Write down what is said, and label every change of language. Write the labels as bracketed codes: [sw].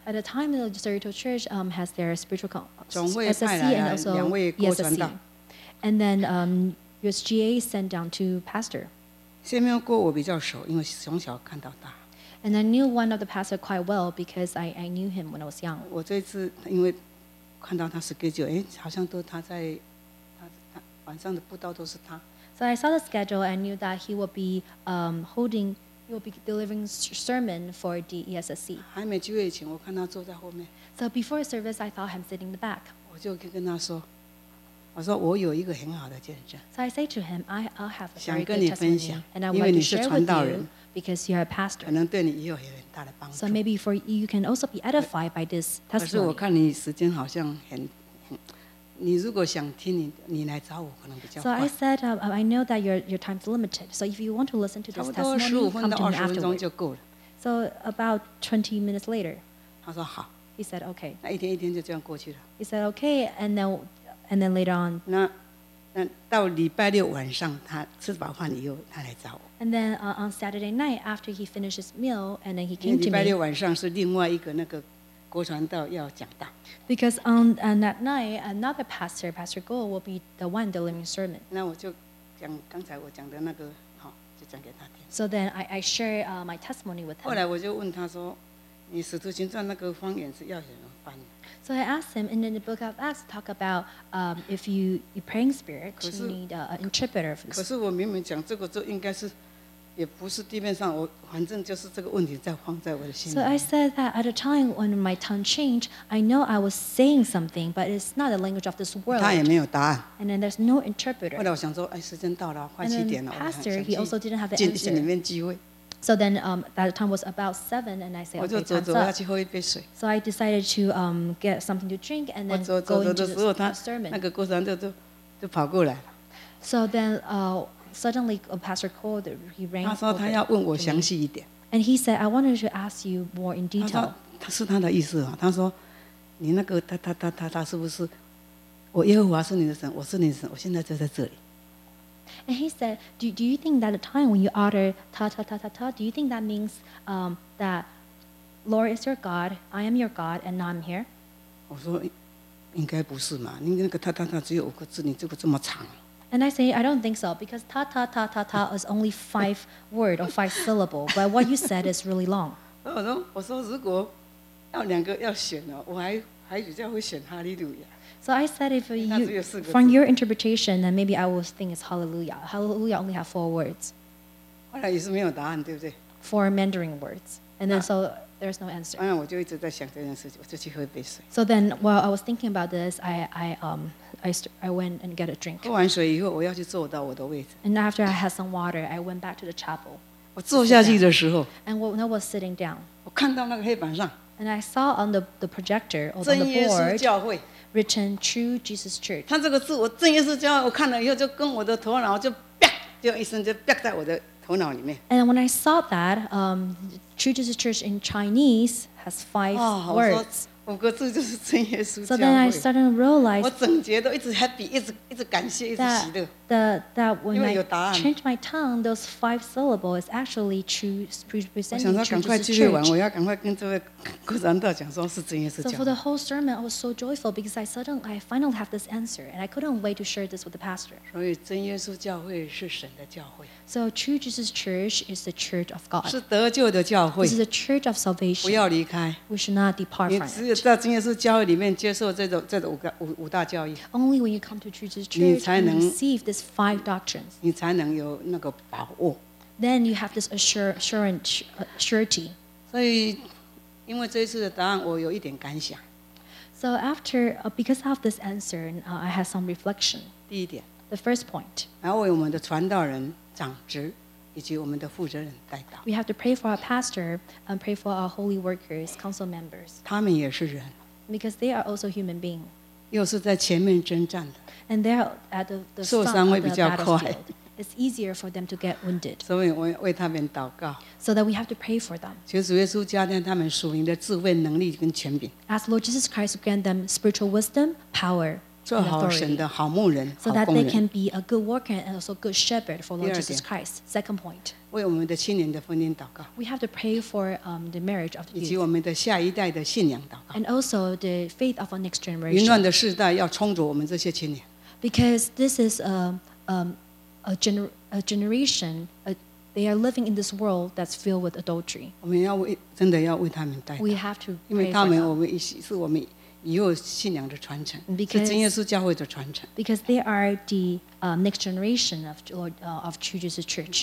[en] At the time, the Cerrito Church has their spiritual council. [zh] 总会派来了两位过传道。 [en] And then USGA sent down two pastors. [zh] 谢明过我比较熟，因为从小看到大。 [en] And I knew one of the pastors quite well because I knew him when I was young. [zh] 我这次因为看到他 schedule， 好像都他在他晚上的布道都是他。 [en] So I saw the schedule and knew that he will be holding, he will be delivering sermon for the ESSC. [zh] 还没聚会前，我看他坐在后面。 [en] So before service, I saw him sitting in the back. [zh] 我就跟他说，我说我有一个很好的见证。 [en] So I say to him, I have a very good testimony, and I would like to share with you. Because you are a pastor. [zh] 可能对你也有很大的帮助。 [en] So maybe for you can also be edified by this testimony. [zh] 可是我看你时间好像很，你如果想听你来找我可能比较快。 [en] So I said, I know that your time is limited. So if you want to listen to this testimony, come to me afterward. [zh] 差不多15分到20分钟就够了。 [en] So about 20 minutes later. [zh] 他说好。 [en] He said, okay. [zh] 那一天一天就这样过去了。 [en] He said, okay, and then later on. [zh] 那到礼拜六晚上，他吃饱饭以后，他来找我。 [en] And then on Saturday night, after he finished his meal, and then he came to me. [zh] 礼拜六晚上是另外一个那个国传道要讲道。 [en] Because on that night, another pastor, Pastor Go, will be the one delivering sermon. [zh] 那我就讲刚才我讲的那个，好，就讲给他听。 [en] So then I share my testimony with him. [zh] 后来我就问他说。你使徒行传那个方言是要怎么翻译 [en] ？So I asked him, and in the book of Acts, talk about if you praying spirit, you need an interpreter. [zh] 可是我明明讲这个，就应该是，也不是地面上，我反正就是这个问题在放在我的心里面。 [en] So I said that at a time when my tongue changed, I know I was saying something, but it's not the language of this world. [zh] 他也没有答案。 [en] And then there's no interpreter. [zh] 后来我想说，哎，时间到了，快七点了。 [en] And then pastor, he also didn't have the answer. [zh] 进里面聚会。 [en] So then that time was about 7 and I said, okay, [zh] 我走要去喝一杯水。 [en] So I decided to get something to drink and then [zh] 我走的时候，那个国传道就跑过来了。 [en] So then suddenly a pastor called, he rang. [zh] 他说他要问我详细一点。 [en] And he said, I wanted to ask you more in detail. [zh] 他说他是他的意思啊，他说你那个他是不是我耶和华是你的神，我是你的神，我现在就在这里。 [en] And he said, do you think that the time when you utter ta ta ta ta ta, do you think that means that Lord is your God, I am your God, and now I'm here? [zh] 我说应该不是嘛，你那个 ta ta ta 只有五个字，你这个这么长。 [en] And I say, I don't think so, because ta ta ta ta ta is only five word or five syllable, but what you said is really long. [zh] 我说如果要两个要选哦，我还比较会选哈利路亚。 [en] So I said, if you, from your interpretation, then maybe I will think it's hallelujah. Hallelujah only have four words. [zh] 后来也是没有答案，对不对？ [en] Four Mandarin words. And then so there's no answer. [zh] 后来我就一直在想这件事情，我就去喝一杯水。 [en] So then while I was thinking about this, I went and get a drink. [zh] 喝完水以后，我要去坐到我的位置。 [en] And after I had some water, I went back to the chapel. [zh] 我坐下去的时候。 [en] And when I was sitting down. [zh] 我看到那个黑板上。 [en] And I saw on the projector, or on the board, written True Jesus Church. [zh] 他这个字，我正耶稣教会，我看了以后，就跟我的头脑就啪，就一声就啪在我的头脑里面。 [en] And when I saw that, True Jesus Church in Chinese has five words. [zh] 五个字就是正耶稣教会。 [en] So then I started to realize, [zh] 我整节都一直 happy, 一直感谢，一直喜乐。 [en] That when I changed my tongue, those five syllables is actually true, representing Jesus' church. [zh] 我要赶快跟这位国传道讲说是真耶稣教。 [en] So for the whole sermon, I was so joyful because I finally have this answer, and I couldn't wait to share this with the pastor. [zh] 所以真耶稣教会是神的教会。 [en] So True Jesus Church is the church of God. [zh] 是得救的教会。 [en] This is a church of salvation. [zh] 不要离开。 [en] We should not depart from it. [zh] 你只有在真耶稣教会里面接受这种五大教义。 [en] Only when you come to True Jesus Church, you receive this. Five doctrines. [zh] 你才能有那个把握。 [en] Then you have this assurance, surety. [zh] 所以，因为这一次的答案，我有一点感想。 [en] So after, because of this answer, I had some reflection. [zh] 第一点。 [en] The first point. [zh] 然后为我们的传道人长职，以及我们的负责人代祷。 [en] We have to pray for our pastor and pray for our holy workers, council members. [zh] 他们也是人。 [en] Because they are also human beings. [zh] 又是在前面征战的 [en] and they're at the [zh] 受伤会比较快 [en] it's easier for them to get wounded [zh] 所以我为他们祷告 [en] so that we have to pray for them [zh] 求主耶稣加添他们属灵的智慧能力跟权柄 [en] ask Lord Jesus Christ to grant them spiritual wisdom, power, and authority [zh] 做好神的好牧人 [en] so that they can be a good worker and also a good shepherd for Lord Jesus Christ second point [zh] 为我们的青年的婚姻祷告 [en] we have to pray for the marriage of the youth [zh] 以及我们的下一代的信仰祷告 [en] and also the faith of our next generation [zh] 云乱的世代要充足我们这些青年 [en] because this is a generation they are living in this world that's filled with adultery [zh] 我们要为真的要为他们代祷 [en] we have to pray for them [zh] 因为他们我们是我们以后信仰的传承 [en] because, [zh] 是真耶稣教会的传承 [en] because they are the next generation of True Jesus Church